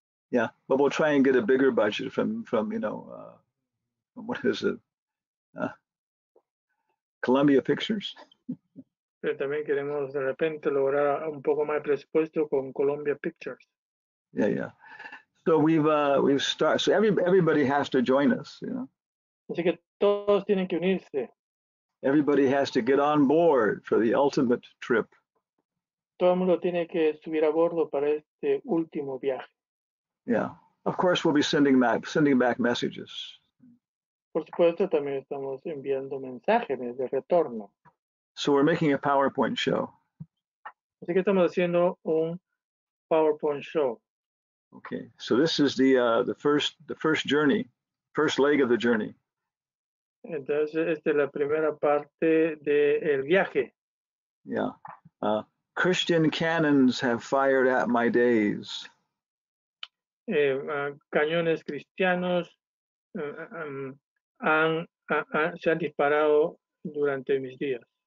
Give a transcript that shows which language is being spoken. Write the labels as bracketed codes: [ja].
[en] Yeah, but we'll try and get a bigger budget from what is it? Columbia Pictures. [es] Pero también queremos de repente lograr un poco más de presupuesto con Columbia Pictures. [en] Yeah, yeah. So we've started. So everybody has to join us, you know. [es] Así que todos tienen que unirse. [en] Everybody has to get on board for the ultimate trip. [es] Todo el mundo tiene que subir a bordo para este último viaje. [en] Yeah. Of course, we'll be sending back messages. [es] Por supuesto, también estamos enviando mensajes de retorno. [en] So we're making a PowerPoint show. [es] Así que estamos haciendo un PowerPoint show. [en] Okay. So this is the first journey, first leg of the journey. [es] Entonces, esta es la primera parte del viaje. [en] Yeah. Christian cannons have fired at my days. [es] Cañones cristianos se han disparado durante mis días.